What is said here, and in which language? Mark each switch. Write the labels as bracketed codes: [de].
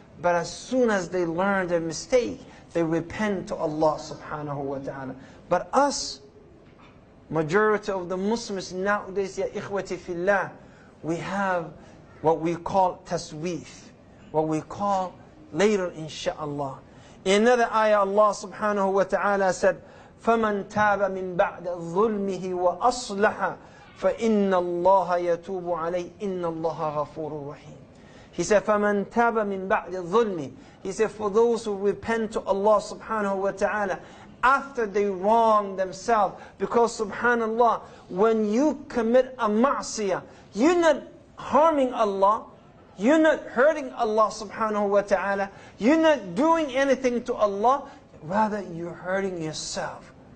[en] But as soon as they learn their mistake, they repent to Allah subhanahu wa ta'ala. But us, majority of the Muslims nowadays, ya ikhwati fillah, we have what we call tasweef, what we call later insha'Allah. In another ayah, Allah subhanahu wa ta'ala said, [ar] فَمَنْ تَابَ مِنْ بَعْدَ ظُلْمِهِ وَأَصْلَحَ فَإِنَّ اللَّهَ يَتُوبُ عَلَيْهِ إِنَّ اللَّهَ غَفُورٌ رَحِيمٌ. [en] He said, [ar] فَمَنْ تَابَ مِنْ بَعْدِ الظُّلْمِ. [en] He said, for those who repent to Allah subhanahu wa ta'ala after they wrong themselves. Because subhanallah, when you commit a ma'siyah, you're not harming Allah, you're not hurting Allah subhanahu wa ta'ala, you're not doing anything to Allah, rather you're hurting yourself.